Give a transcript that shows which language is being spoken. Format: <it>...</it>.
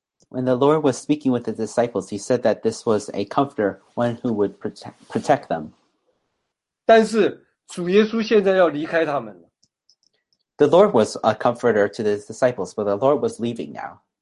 <en>When the Lord was speaking with the disciples, he said that this was a comforter, one who would protect them.</en> <zh>但是主耶稣现在要离开他们了。</zh> <en>The Lord was a comforter to the disciples, but the Lord was leaving now.</en>